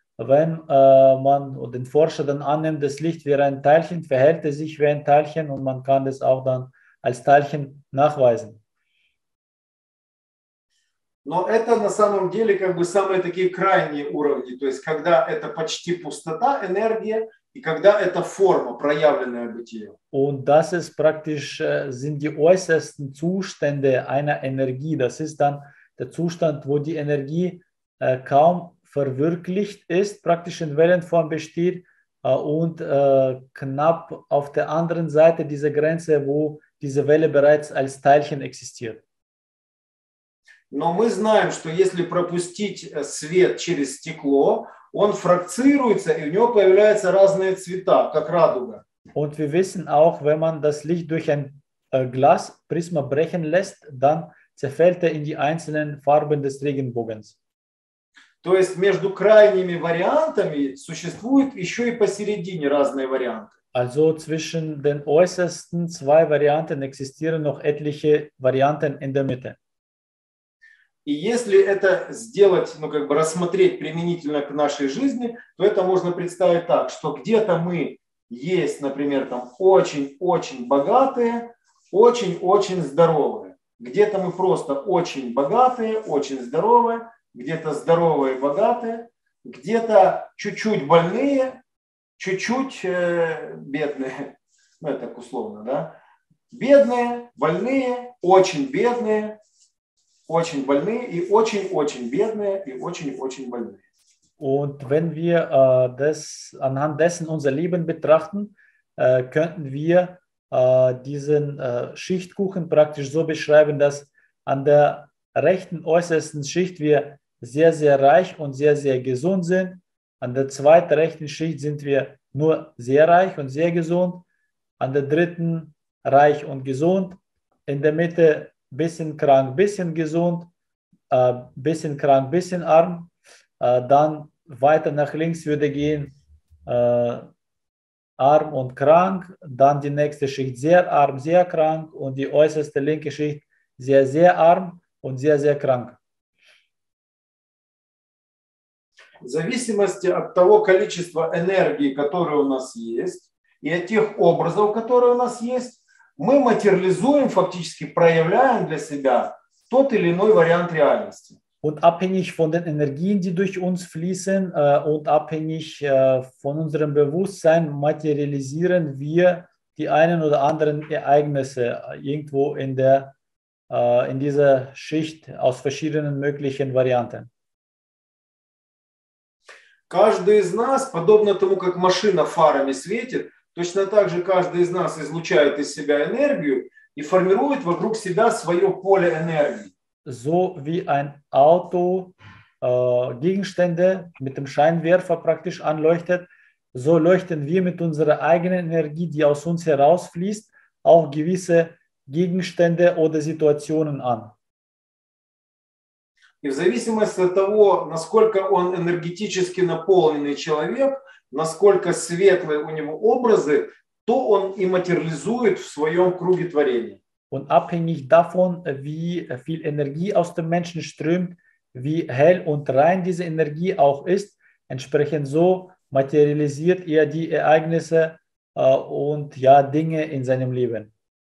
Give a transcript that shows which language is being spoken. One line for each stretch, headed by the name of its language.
German: Wenn man den Forscher dann annimmt, das Licht wäre ein Teilchen, verhält er sich wie ein Teilchen und man kann das auch dann als Teilchen nachweisen.
Russian: Но это на самом деле как бы самые такие крайние уровни, то есть когда это почти пустота энергии и когда это форма, проявленная бытие.
German: Und das ist praktisch, sind die äußersten Zustände einer Energie. Das ist dann der Zustand, wo die Energie kaum verwirklicht ist, praktisch in Wellenform besteht und knapp auf der anderen Seite dieser Grenze, wo diese Welle bereits als Teilchen existiert.
Russian: Но мы знаем, что если пропустить свет через стекло, он фракцируется, и у него появляются разные цвета, как радуга.
German: Und wir wissen auch, wenn man das Licht durch ein Glasprisma brechen lässt, dann zerfällt in die einzelnen Farben des Regenbogens.
Russian: То есть между крайними вариантами существуют еще и посередине разные варианты.
German: Also zwischen den äußersten zwei Varianten existieren noch etliche Varianten in der Mitte.
Russian: И если это сделать, ну как бы рассмотреть применительно к нашей жизни, то это можно представить так, что где-то мы есть, например, там очень-очень богатые, очень-очень здоровые. Где-то мы просто очень богатые, очень здоровые, где-то здоровые, богатые, где-то чуть-чуть больные, чуть-чуть бедные. Ну, это так условно, да? Бедные, больные, очень бедные, очень больные и очень-очень бедные и очень-очень больные.
German: Und wenn wir das anhand dessen unser Leben betrachten, könnten wir diesen Schichtkuchen praktisch so beschreiben, dass an der rechten äußersten Schicht wir sehr, sehr reich und sehr, sehr gesund sind. An der zweiten rechten Schicht sind wir nur sehr reich und sehr gesund. An der dritten reich und gesund. In der Mitte bisschen krank, bisschen gesund. Bisschen krank, bisschen arm. Dann weiter nach links würde gehen, arm und krank, dann die nächste Schicht sehr arm, sehr krank und die äußerste linke Schicht sehr, sehr arm und sehr, sehr krank.
Russian: В зависимости от того количества энергии, которое у нас есть, и от тех образов, которые у нас есть, мы материализуем, фактически проявляем для себя тот или иной вариант реальности.
German: Und abhängig von den Energien, die durch uns fließen und abhängig von unserem Bewusstsein, materialisieren wir die einen oder anderen Ereignisse irgendwo in der in dieser Schicht aus verschiedenen möglichen Varianten.
Russian: Каждый из нас, подобно тому, как машина фарами светит, точно так же каждый из нас излучает из себя энергию и формирует вокруг себя свое поле энергии.
German: So wie ein Auto Gegenstände mit dem Scheinwerfer praktisch anleuchtet, so leuchten wir mit unserer eigenen Energie, die aus uns herausfließt, auch gewisse Gegenstände oder Situationen an.
Russian: И в зависимости от того, насколько он энергетически наполненный человек, насколько светлые у него образы, то он и материализует в своем круге творения.
German: Und abhängig davon, wie viel Energie aus dem Menschen strömt, wie hell und rein diese Energie auch ist, entsprechend so materialisiert er die Ereignisse und ja, Dinge in seinem Leben.